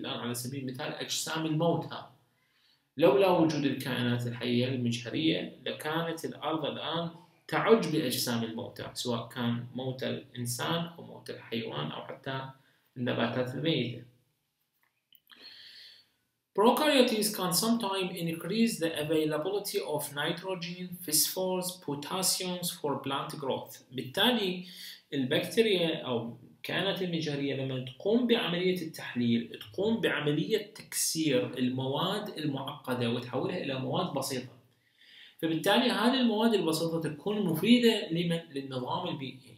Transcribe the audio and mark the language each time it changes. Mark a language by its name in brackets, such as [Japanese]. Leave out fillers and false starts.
[Arabic] الآن على سبيل المثال أجسام الموتى، لولا وجود الكائنات الحية المجهرية لكانت الأرض الآن تعج بأجسام الموتى، سواء كان موتى الإنسان أو موتى الحيوان أو حتى النباتات الميتة. [English] Prokaryotes can sometimes increase the availability of nitrogen, phosphorus, potassium for plant growth. [Arabic] بالتالي البكتيريا أو الكائنات المجهرية لما تقوم بعملية التحليل، تقوم بعملية تكسير المواد المعقدة وتحولها إلى مواد بسيطة. فبالتالي هذه المواد البسيطة تكون مفيدة للنظام البيئي.